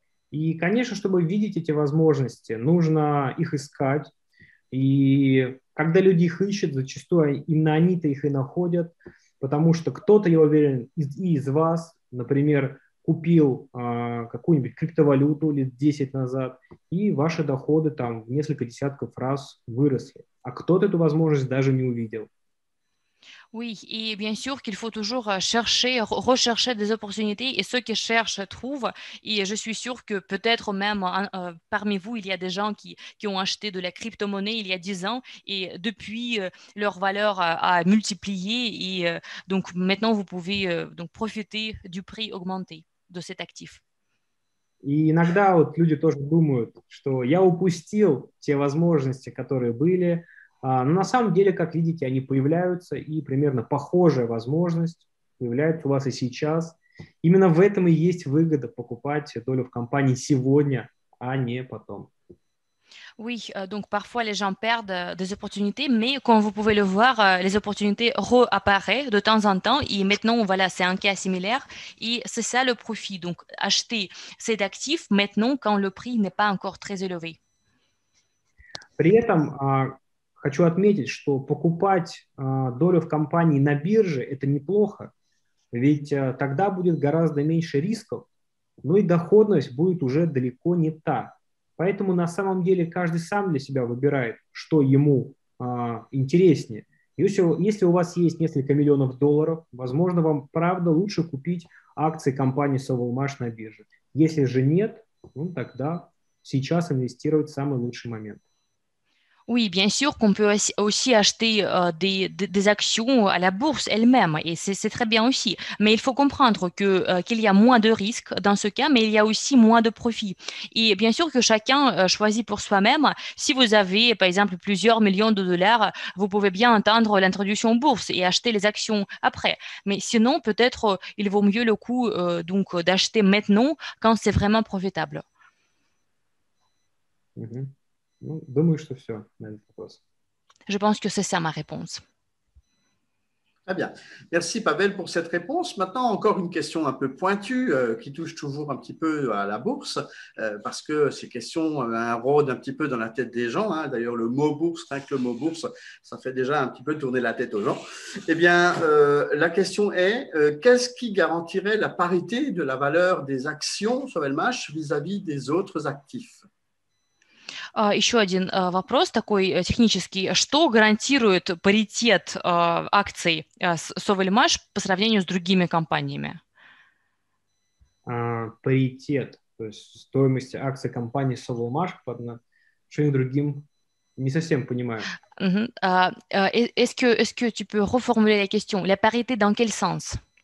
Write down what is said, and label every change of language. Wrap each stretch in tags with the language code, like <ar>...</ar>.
<ru>И, конечно, чтобы видеть эти возможности, нужно их искать. И когда люди их ищут, зачастую именно они-то их и находят, потому что кто-то, я уверен, из вас, например, купил какую-нибудь криптовалюту лет 10 назад, и ваши доходы там в несколько десятков раз выросли. А кто-то эту возможность даже не увидел.</ru> <fr>Oui, et bien sûr qu'il faut toujours chercher, rechercher des opportunités, et ceux qui cherchent trouvent. Et je suis sûre que peut-être même parmi vous, il y a des gens qui ont acheté de la crypto-monnaie il y a 10 ans, et depuis, leur valeur a multiplié, et donc maintenant, vous pouvez donc profiter du prix augmenté de cet actif.</fr> <ru>И иногда вот люди тоже думают, что я упустил те возможности, которые были. На самом деле, как видите, они появляются, и примерно похожая возможность появляется у вас и сейчас. Именно в этом и есть выгода покупать долю в компании сегодня, а не потом.</ru> <fr>Oui, donc parfois les gens perdent des opportunités, mais comme vous pouvez le voir, les opportunités réapparaissent de temps en temps. Et maintenant, voilà, c'est un cas similaire. Et c'est ça le profit. Donc, acheter cet actif maintenant, quand le prix n'est pas encore très élevé.</fr> <ru>При этом, хочу отметить, что покупать долю в компании на бирже – это неплохо, ведь тогда будет гораздо меньше рисков, ну и доходность будет уже далеко не та. Поэтому на самом деле каждый сам для себя выбирает, что ему интереснее. Если у вас есть несколько миллионов долларов, возможно, вам правда лучше купить акции компании Совалмаш на бирже. Если же нет, ну, тогда сейчас инвестировать в самый лучший момент.</ru> <fr>Oui, bien sûr qu'on peut aussi acheter des actions à la bourse elle-même, et c'est très bien aussi. Mais il faut comprendre qu'il y a moins de risques dans ce cas, mais il y a aussi moins de profits. Et bien sûr que chacun choisit pour soi-même. Si vous avez, par exemple, plusieurs millions de dollars, vous pouvez bien attendre l'introduction en bourse et acheter les actions après. Mais sinon, peut-être il vaut mieux le coup donc d'acheter maintenant quand c'est vraiment profitable. Mm-hmm.</fr> <ru>Ну, думаю, что все на этот вопрос.</ru> <fr>Je pense que c'est ça ma réponse. Très bien. Merci, Pavel, pour cette réponse. Maintenant, encore une question un peu pointue qui touche toujours un petit peu à la bourse parce que ces questions rôdent un petit peu dans la tête des gens. Hein. D'ailleurs, le mot bourse, rien que le mot bourse, ça fait déjà un petit peu tourner la tête aux gens. Eh bien, la question est qu'est-ce qui garantirait la parité de la valeur des actions sur LMH vis-à-vis des autres actifs?</fr> <ru>Еще один вопрос такой технический. Что гарантирует паритет акций Совельмаш по сравнению с другими компаниями? Паритет, то есть стоимость акций компании Совельмаш по отношению к другим, не совсем понимаю.</ru> <fr>Est-ce que tu peux reformuler la question? La parité dans quel sens?</fr>